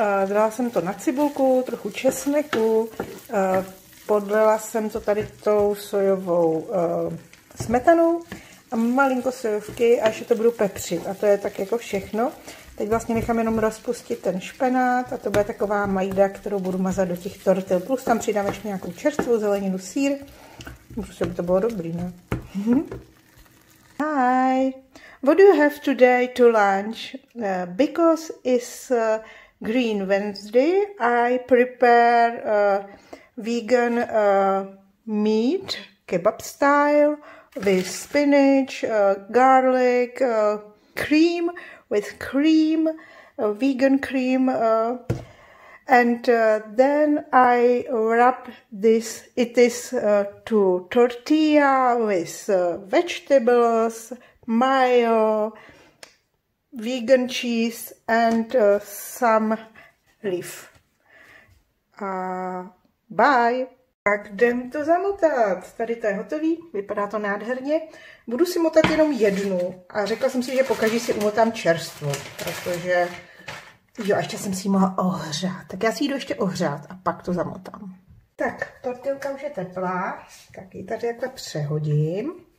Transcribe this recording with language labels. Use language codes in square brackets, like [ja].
[cs] Dala jsem to na cibulku, trochu česneku. Podlela jsem to tady tou sojovou smetanou a malinko sojovky a ještě to budu pepřit. A to je tak jako všechno. Teď vlastně nechám jenom rozpustit ten špenát a to bude taková majda, kterou budu mazat do těch tortil. Plus tam přidám ještě nějakou čerstvou zeleninu, sýr. Prostě by to bylo dobrý, ne? [en] Hi! What do you have today to lunch? Because it's Green Wednesday, I prepare... vegan meat, kebab style, with spinach, garlic, cream, with cream, vegan cream. And then I wrap this, it is to tortilla with vegetables, mayo, vegan cheese and some leaf. [cs] A bye. Tak jdem to zamotat. Tady to je hotový, vypadá to nádherně. Budu si motat jenom jednu a řekla jsem si, že pokaždé si umotám čerstvo, protože jo, ještě jsem si ji mohla ohřát. Tak já si ji jdu ještě ohřát a pak to zamotám. Tak, tortilka už je teplá, tak ji tady takhle přehodím.